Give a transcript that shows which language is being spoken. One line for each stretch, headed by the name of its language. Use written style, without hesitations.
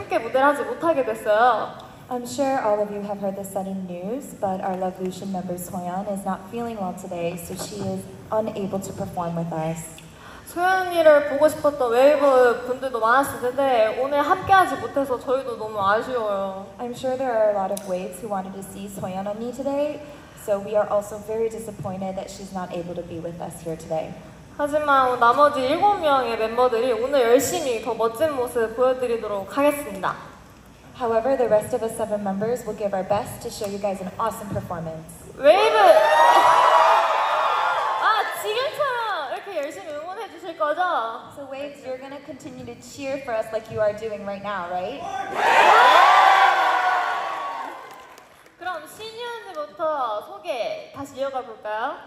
English: I'm sure all of you have heard the sudden news, but our LOVElution member Soyeon is not feeling well today, so she is unable to perform with us.
Korean: 소연이를 보고 싶었던 웨이브 분들도 많았을 텐데 오늘 함께하지 못해서 저희도 너무 아쉬워요.
English: I'm sure there are a lot of waves who wanted to see Soyeon and me today, so we are also very disappointed that she's not able to be with us here today.
Korean: 하지만 나머지 7명의 멤버들이 오늘 열심히 더 멋진 모습 보여드리도록 하겠습니다.
English: However, the rest of the 7 members will give our best to show you guys an awesome performance.
Korean: 웨이브! 아, 지금처럼 이렇게 열심히 응원해 주실 거죠?
English: So Waves, you're gonna continue to cheer for us like you are doing right now, right?
Korean: 그럼 신유언니부터 소개 다시 이어가 볼까요?